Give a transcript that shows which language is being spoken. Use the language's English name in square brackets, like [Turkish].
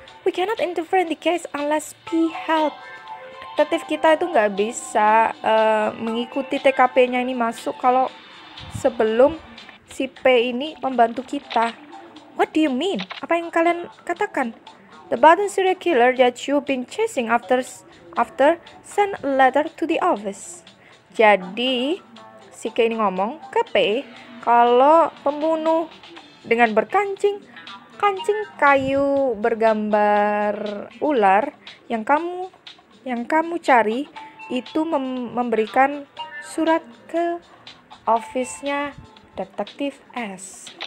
[English] We cannot interfere in the case unless P help. [Indonesian] Detektif, kita itu nggak bisa mengikuti TKP-nya ini masuk kalau sebelum si P ini membantu kita. [English] What do you mean? [Indonesian] Apa yang kalian katakan? [English] The button serial killer that you've been chasing after send a letter to the office. [Indonesian] Jadi, si K ini ngomong ke P, kalau pembunuh dengan berkancing, kancing kayu bergambar ular yang kamu cari itu memberikan surat ke office-nya Detektif S.